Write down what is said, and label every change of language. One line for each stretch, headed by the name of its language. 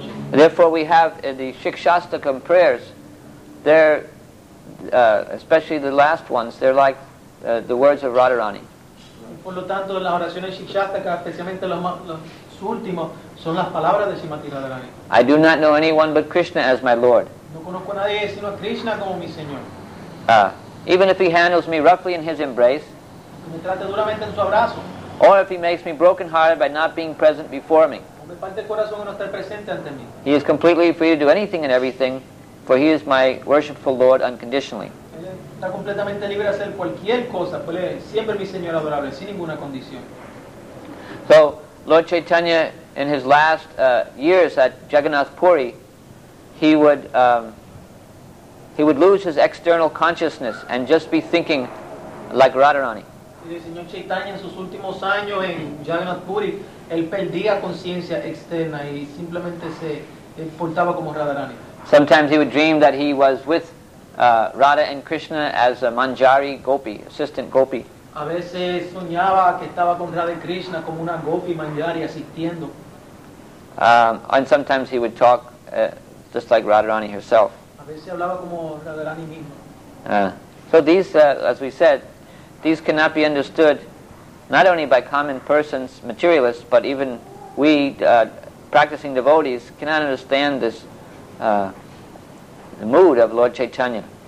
English: Therefore we have in the Shikshastakam prayers, they're especially the last ones, they're like the words of Radharani.
Spanish: Por lo tanto, las oraciones Shikshastaka, especialmente los últimos, son las palabras de Srimati Radharani.
English: I do not know anyone but Krishna as my Lord.
Spanish: No conozco a nadie sino a Krishna como mi Señor.
English: Even if he handles me roughly in his embrace,
Spanish: me trate duramente en su abrazo,
English: or if he makes me brokenhearted by not being present before me,
Spanish: o me parte el corazón de no estar presente ante mí,
English: he is completely free to do anything and everything, for he is my worshipful Lord unconditionally.
Spanish: Está completamente libre de hacer cualquier cosa, pues es siempre mi Señor adorable, sin ninguna condición.
English: So, Lord Chaitanya, in his last years at Jagannath Puri, he would lose his external consciousness and just be thinking like Radharani.
Spanish: El Señor Chaitanya, en sus últimos años en Jagannath Puri, él perdía conciencia externa y simplemente se portaba como Radharani.
English: Sometimes he would dream that he was with Radha and Krishna as a Manjari Gopi, assistant Gopi.
Spanish: A veces soñaba que estaba con Radha y Krishna como una Gopi Manjari asistiendo.
English: And sometimes he would talk just like Radharani herself.
Spanish: A veces hablaba como Radharani mismo.
English: So these, as we said, these cannot be understood not only by common persons, materialists, but even we practicing devotees cannot understand this the mood of Lord Chaitanya.